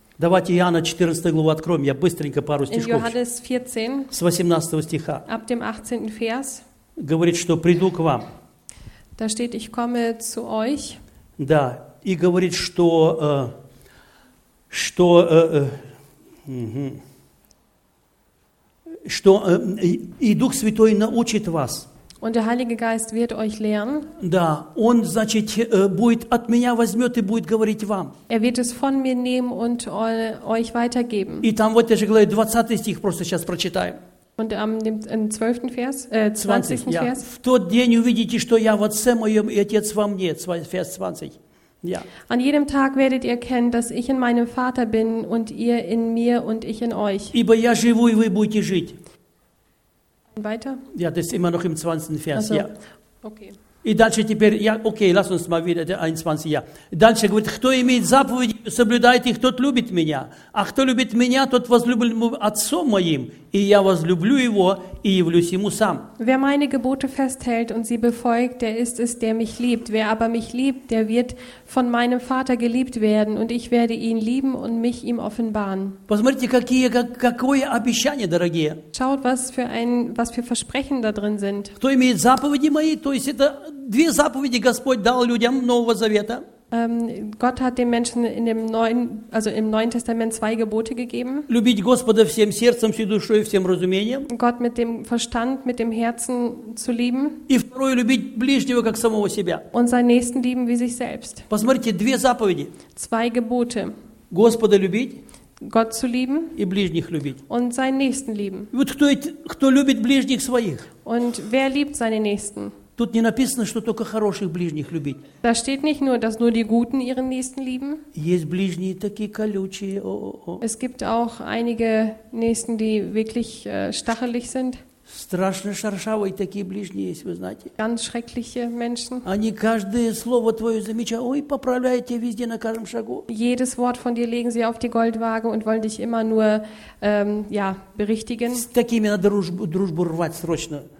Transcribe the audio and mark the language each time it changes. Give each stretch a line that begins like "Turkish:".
Russian: Давайте Иоанна 14 главу откроем. Я быстренько пару стишков.
German: In Johannes 14,
Russian: с 18 стиха.
German: Ab dem 18. Vers.
Russian: Говорит, что приду к вам.
German: Da steht, ich komme zu euch.
Russian: Да, и говорит, что... что... что и Дух Святой научит вас.
German: Und der Heilige Geist wird euch lehren.
Russian: Да, он, значит, будет от меня возьмет и будет говорить вам.
German: Er wird es von mir nehmen und euch weitergeben.
Russian: И там вот я же говорю, 20 стих просто сейчас прочитаем.
German: Und am 12. Vers, 20. Ja. Vers.
Russian: В тот день увидите, что я в Отце моем и Отец во мне.
German: Vers 20. Ja. An jedem Tag werdet ihr kennen, dass ich in meinem Vater bin und ihr in mir und ich in euch.
Russian: Ибо я живу, и вы будете жить.
German: Weiter? Ja, das ist immer noch im 20. Vers, also, ja. Okay. Und
Russian: дальше теперь,
German: ja, okay, lass uns mal wieder, 21, ja.
Russian: Дальше говорит, кто имеет заповеди, соблюдает их, тот любит меня. А кто любит меня, тот возлюблен Отцом моим. и я возлюблю его и явлюсь ему сам.
German: Wer meine Gebote festhält und sie befolgt, der ist es, der mich liebt. Wer aber mich liebt, der wird von meinem Vater geliebt werden, und ich werde ihn lieben und mich ihm offenbaren.
Russian: Посмотрите, какое обещание, дорогие.
German: Schaut, was für Versprechen da drin sind.
Russian: Кто имеет заповеди мои, то есть это две заповеди Господь дал людям Нового Завета.
German: Gott hat den Menschen in dem Neuen, also im Neuen Testament zwei Gebote gegeben.
Russian: Любить Господа всем сердцем, всей душой, всем разумением.
German: Gott mit dem Verstand, mit dem Herzen zu lieben.
Russian: И второе, любить ближнего, как самого себя.
German: Und seinen Nächsten lieben wie sich selbst.
Russian: Посмотрите, две заповеди.
German: Zwei Gebote.
Russian: Господа любить.
German: Gott zu lieben.
Russian: И ближних любить.
German: Und seinen Nächsten lieben.
Russian: Вот кто любит ближних своих.
German: Und wer liebt seine Nächsten?
Russian: Тут не написано, что только хороших ближних любить.
German: Da steht nicht nur, dass nur die Guten ihren Nächsten lieben.
Russian: Есть ближние такие колючие. О-о-о.
German: Es gibt auch einige Nächsten, die wirklich stachelig sind.
Russian: Страшно шершавые такие ближние есть, вы знаете.
German: Ganz schreckliche Menschen.
Russian: Они каждое слово твое замечают, ой, поправляют тебя везде на каждом шагу.
German: Jedes Wort von dir legen sie auf die Goldwaage und wollen dich immer nur berichtigen.
Russian: С такими надо дружбу рвать срочно.